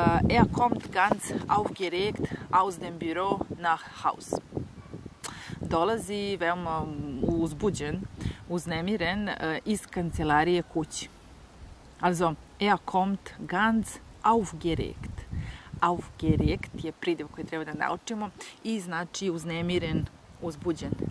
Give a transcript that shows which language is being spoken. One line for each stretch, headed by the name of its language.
German: Er kommt ganz aufgeregt aus dem Büro nach Haus.
Serbian: Dolazi veoma uzbuđen, uznemiren iz kancelarije kući.
German: Also, er kommt ganz aufgeregt.
Serbian: Aufgeregt je pridev koji treba da naučimo i znači uznemiren, uzbuđen.